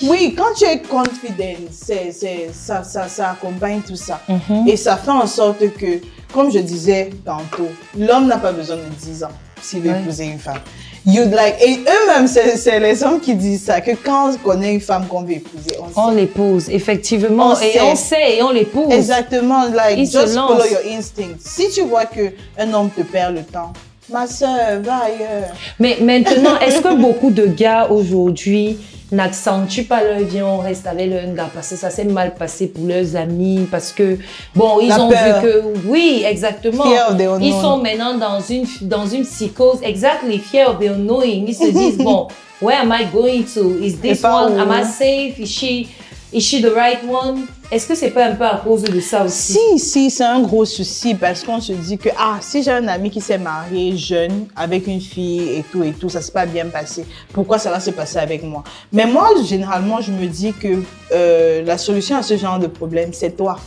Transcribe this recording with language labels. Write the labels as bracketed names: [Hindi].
[French] Oui, quand tu es confident, ça accompagne tout ça. Mm-hmm. Et ça fait en sorte que, comme je disais tantôt, l'homme n'a pas besoin de 10 ans s'il veut épouser une femme. [English] You'd like, [French] et eux-mêmes, c'est les hommes qui disent ça, que quand on connaît une femme qu'on veut épouser, on l'épouse, effectivement. On l'épouse. [English] Exactement, like, just follow your instinct. [French] Si tu vois qu'un homme te perd le temps, ma soeur, va ailleurs. Mais maintenant, est-ce que beaucoup de gars aujourd'hui n'accentuent pas leur vie, on reste avec leur gars, parce que ça s'est mal passé pour leurs amis, parce que, bon, ils la ont peur. Vu que, oui, exactement, [English] fear of the unknown. [French] Ils sont maintenant dans une psychose, [English] exactly, fear of the unknowing, [French] ils se disent, bon, [English] where am I going to, is this [French] pas [English] one, [French] où? [English] Am I safe, is she the right one? [French] Est-ce que c'est pas un peu à cause de ça aussi? Si, c'est un gros souci parce qu'on se dit que si j'ai un ami qui s'est marié jeune avec une fille et tout, ça s'est pas bien passé. Pourquoi ça va se passer avec moi? Mais moi, généralement, je me dis que la solution à ce genre de problème, c'est toi.